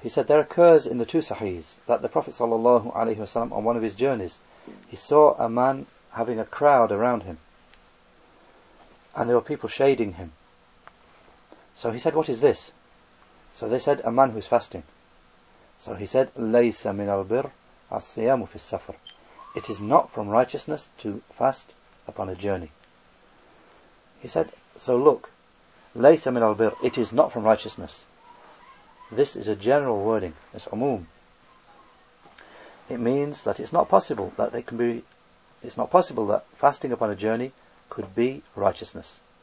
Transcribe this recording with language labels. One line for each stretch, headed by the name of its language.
English: He said, there occurs in the two Sahihs that the Prophet sallallahu alaihi wasallam, on one of his journeys, he saw a man having a crowd around him, and there were people shading him. So he said, what is this? So they said, a man who is fasting.
Arabic: So he said, لَيْسَ مِنَ الْبِرْ أَصْيَامُ فِي السَّفَرْ.
English: It is not from righteousness to fast upon a journey. He said, so look,
Arabic: لَيْسَ مِنَ الْبِرْ,
English: it is not from righteousness. This is a general wording, it's umum. It means that it's not possible that they can be, it's not possible that fasting upon a journey could be righteousness.